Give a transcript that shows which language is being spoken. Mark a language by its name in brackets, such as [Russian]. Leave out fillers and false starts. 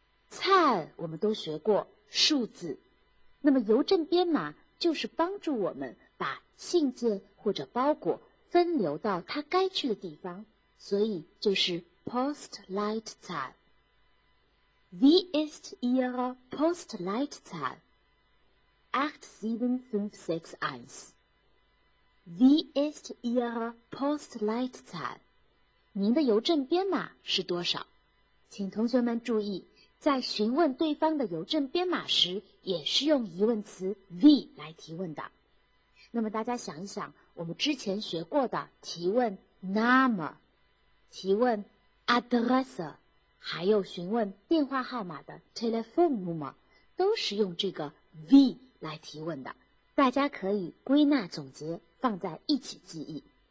[German] Zahl [Chinese] 我们都学过，数字。那么邮政编码就是帮助我们把信件或者包裹分流到它该去的地方，所以就是 Postleitzahl。 [German] Wie ist Ihre Postleitzahl? 87561. Wie ist Ihre Postleitzahl? [Chinese] 您的邮政编码是多少？请同学们注意，在询问对方的邮政编码时，也是用疑问词 wie 来提问的。那么大家想一想，我们之前学过的提问 Name、 提问 Adresse、 还有询问电话号码的 Telefonnummer 都是用这个 wie 来提问的，大家可以归纳总结放在一起记忆。